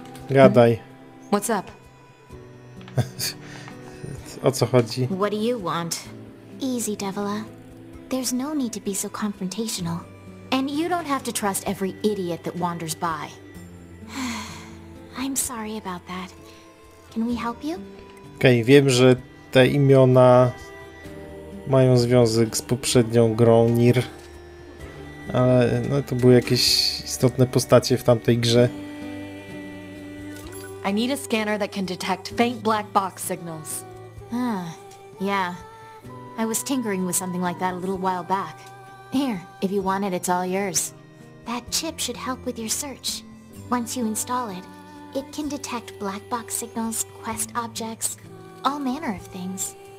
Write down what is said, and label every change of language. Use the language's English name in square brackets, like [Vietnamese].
[Polish] Gadaj. [English] What's up? [Polish] O co chodzi? [English] What do you want? Easy, Devila. There's no need to be so confrontational. And you don't have to trust every idiot that wanders by. I'm sorry about that. Can we help you? [Polish] Okej, wiem, że te imiona mają związek z poprzednią grą Nir. Ale no, to były jakieś istotne postacie w tamtej grze. [English] I need a scanner that can detect faint black box signals. Yeah. I was tinkering with something like that a little while back. Here, if you want it, it's all yours. That chip should help with your search. Once you install it, it can detect black box signals, quest objects, all manner of things.